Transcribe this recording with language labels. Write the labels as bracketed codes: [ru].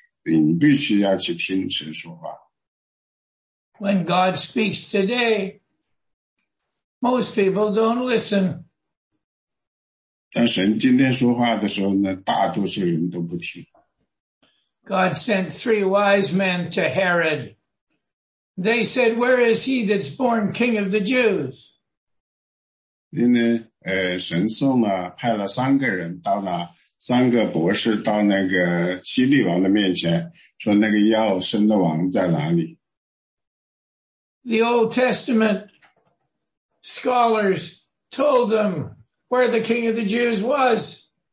[zh] 因为神在讲话，你要去听。你如果说太阳不出来，月亮不发光，你不能说就不听了。因为如果这种事情发生以后呢，一定有什么事情变得很严重，不对，你必须要去听神说话。 [en] When God speaks today, most people don't listen. [zh] 但神今天说话的时候呢，大多数人都不听。 [en] God sent three wise men to Herod. They said, where is he that's born king of the Jews? [zh] 因为神送了，派了三个人到那三个博士到那个希律王的面前，说那个要生的王在哪里？ [en] The Old Testament scholars told them where the King of the Jews was.